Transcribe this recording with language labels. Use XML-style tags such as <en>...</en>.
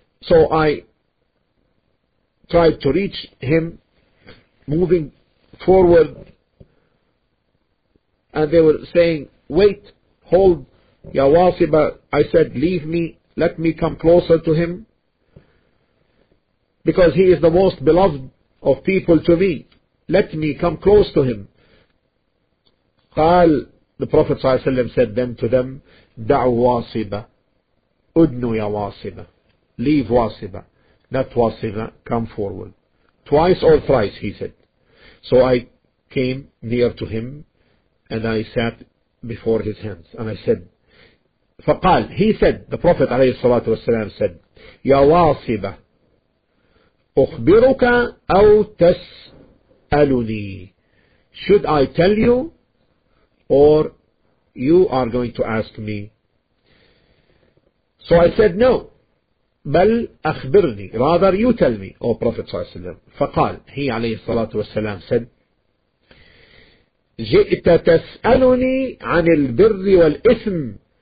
<en>So I tried to reach him, moving forward, and they were saying, wait, hold, Ya Wasiba. I said, leave me, let me come closer to him. because he is the most beloved of people to me. Let me come close to him.</en> <ar>قال,</ar> <en>the Prophet</en> <ar>صلى الله عليه وسلم</ar> <en>said then to them,</en> <ar>دعوا واصبة, أدنوا يا واصبة,</ar> <en>leave</en> <ar>واصبة,</ar> <en>not</en> <ar>واصبة,</ar> <en>come forward. Twice or thrice, he said. So I came near to him, and I sat before his hands, and I said,</en> <ar>فقال,</ar> <en>he said, the Prophet عليه الصلاة والسلام said,</en> <ar>يا واصبة, أخبرك أو تسألني,</ar> <en>should I tell you, or you are going to ask me? So I said, no,</en> <ar>بل أخبرني,</ar> <en>rather you tell me, O Prophet صلى الله عليه وسلم.</en> <ar>فقال,</ar> <en>he</en> <ar>عليه الصلاة والسلام</ar> <en>said,</en> <ar>جئت تسألني عن البر والإثم.</ar>